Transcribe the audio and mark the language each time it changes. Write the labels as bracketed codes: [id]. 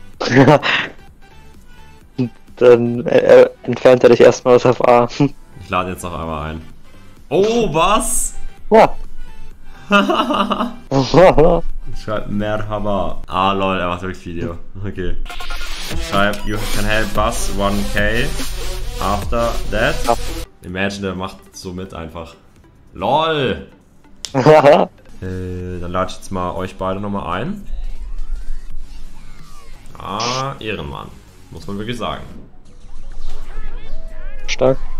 [de] Ja. Dann entfernt er dich erstmal aus FA. Ich lade jetzt noch einmal ein. Oh, was? Ja. Schreib Merhaba. Ah lol, er macht wirklich Video. Okay. Schreib, [en] you can help us 1k after that. [de] Imagine, er macht so mit einfach. LOL! dann lade ich jetzt mal euch beide nochmal ein. Ah, Ehrenmann. Muss man wirklich sagen. Stark.